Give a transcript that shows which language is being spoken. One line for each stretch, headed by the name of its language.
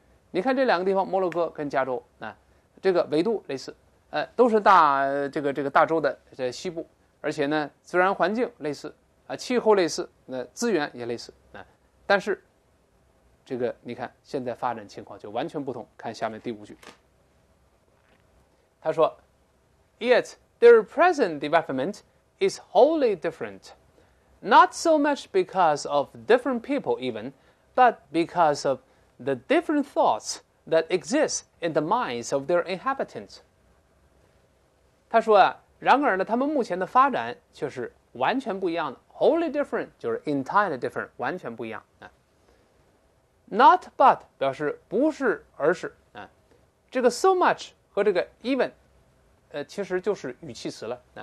Chinese: 你看这两个地方，摩洛哥跟加州，这个纬度类似，都是大这个大洲的在西部，而且呢自然环境类似，气候类似，资源也类似，但是这个你看现在发展情况就完全不同。看下面第五句，他说
English: ，Yet their present development is wholly different, not so much because of different people even. But because of the different thoughts that exist in the minds of their inhabitants.
Chinese: 他说然而呢，他们目前的发展却是完全不一样的。
English: Wholly different
Chinese: 就是
English: entirely different，
Chinese: 完全不一样。
English: Not but
Chinese: 表示不是而是。这个
English: so much
Chinese: 和这个 even， 其实就是语气词了。